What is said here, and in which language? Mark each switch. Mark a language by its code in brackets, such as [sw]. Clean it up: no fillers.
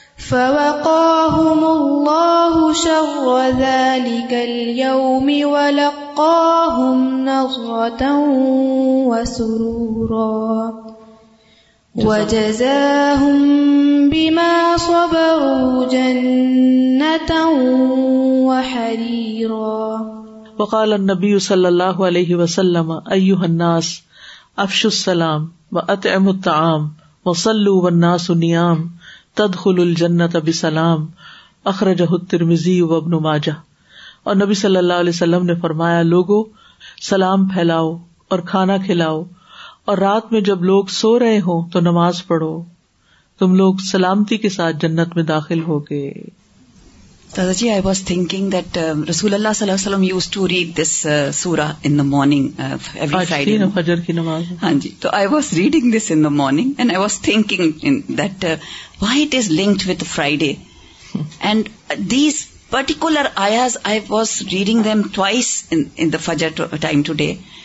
[ar] فوقاهم الله شر ذلك اليوم ولقاهم نظرة وسرورا وجزاهم بما صبروا جنة وحريرا وقال النبي صلى الله عليه وسلم أيها الناس أفشوا السلام وأطعموا الطعام وصلوا والناس نيام تدخلوا الجنة بسلام أخرجه الترمذي وابن ماجه. [ur] اور نبی صلی اللہ علیہ وسلم نے فرمایا لوگو سلام پھیلاؤ اور کھانا کھلاؤ اور رات میں جب لوگ سو رہے ہوں تو نماز پڑھو تم لوگ سلامتی کے ساتھ جنت میں داخل ہوگے. [en] Sada ji, I was thinking that Rasulullah sallallahu alaihi wasallam used to read this surah in the morning every Aaj Friday. [ur] Aaj Fajr ki namaz. Haan ji. [en] So I was reading this in the morning and I was thinking in that why it is linked with Friday. And these particular ayahs, I was reading them twice in the Fajr time today.